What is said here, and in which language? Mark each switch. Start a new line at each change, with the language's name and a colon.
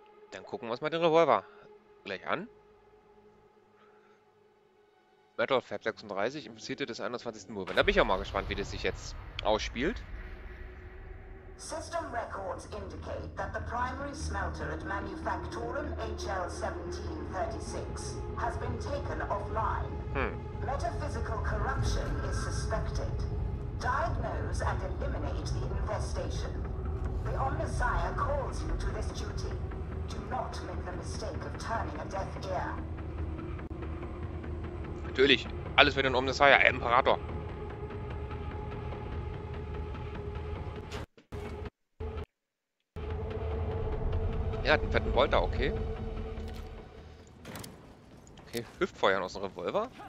German: Dann gucken wir uns mal den Revolver gleich an. Metal Fab 36, infizierte des 21. Mulban. Da bin ich auch mal gespannt, wie das sich jetzt ausspielt.
English: System records indicate that the primary smelter at Manufaktorum HL 1736 has been taken offline. Metaphysical corruption is suspected. Diagnose and eliminate the infestation. The Omnissiah calls you to this duty. Do not make the mistake of turning a deaf ear.
German: Natürlich, alles wird in Omnissiah, Imperator. Er hat einen fetten Bolter, okay. Okay, Hüftfeuern aus dem Revolver.